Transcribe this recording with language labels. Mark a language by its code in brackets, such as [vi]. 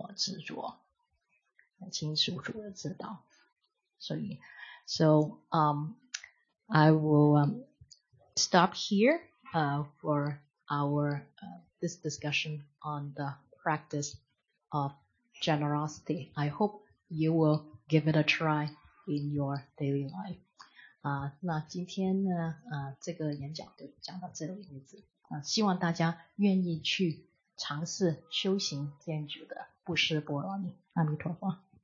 [zh] 那这样子呢，在我们就可以在我们的日常生活里面呢，常常的记得看到有不同的机会呢，修行布施，还有呢，去找机会去布施，很难布施的时候去，还是去修行布施，这样子让我们有机会呢，可以关照到我们自己的自我执着，清楚的知道。 [en] So I will stop here for our discussion on the practice of generosity. I hope you will give it a try in your daily life. [zh] 那今天呢，这个演讲就讲到这里为止。希望大家愿意去尝试修行建筑的布施波罗蜜。阿弥陀佛。